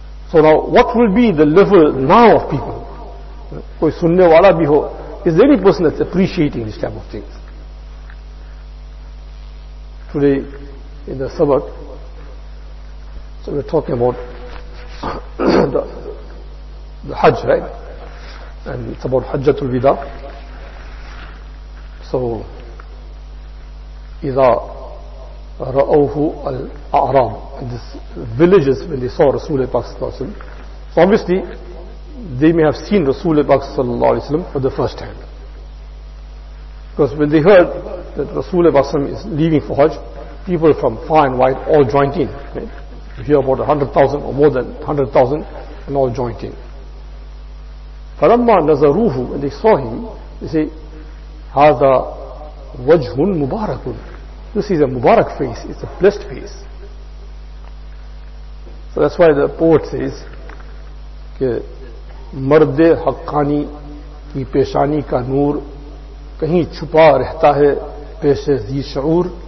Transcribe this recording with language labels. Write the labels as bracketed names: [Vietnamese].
[English] So now, what will be the level now of people? [Urdu] Koi sunne wala bhi ho? [English] Is there any person that's appreciating this type of things? Today, in the sabak, so we're talking about the Hajj, right? And it's about Hajjatul Wida. [Arabic] So, إِذَا رَأَوْهُ الْأَعْرَابُ. [English] And this villages, when they saw Rasulullah Paksa Sallallahu Alaihi Wasallam. So obviously, they may have seen Rasulullah Paksa Sallallahu Alaihi Wasallam for the first time. Because when they heard that Rasulullah Paksa Sallallahu Alaihi Wasallam is leaving for Hajj, people from far and wide all joined in, right? Hear about 100,000 or more than 100,000 and all joined in. [Arabic] فَلَمَّا نَزَرُوهُ, [English] when they saw him, they say, [Arabic] هَذَا وَجْهٌ مُبَارَكٌ. [English] This is a Mubarak face, it's a blessed face. So that's why the poet says, [Urdu] کہ مرد حقانی کی پیشانی کا نور کہیں چھپا رہتا ہے پیش ذی شعور.